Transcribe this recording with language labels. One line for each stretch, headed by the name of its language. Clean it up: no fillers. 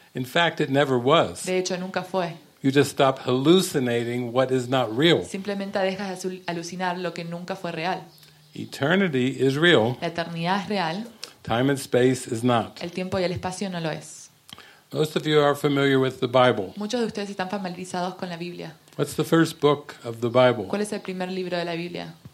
English: In fact, it never was.
Spanish: De hecho, nunca fue.
English: You just stop hallucinating what is not real.
Spanish: Simplemente dejas de alucinar lo que nunca fue real.
English: Eternity is real.
Spanish: La eternidad es real.
English: Time and space is not.
Spanish: El tiempo y el espacio no lo es.
English: Most of you are familiar with the Bible.
Spanish: Muchos de ustedes están familiarizados con la Biblia.
English: What's the first book of the Bible?
Spanish: ¿Cuál es el primer libro de la Biblia?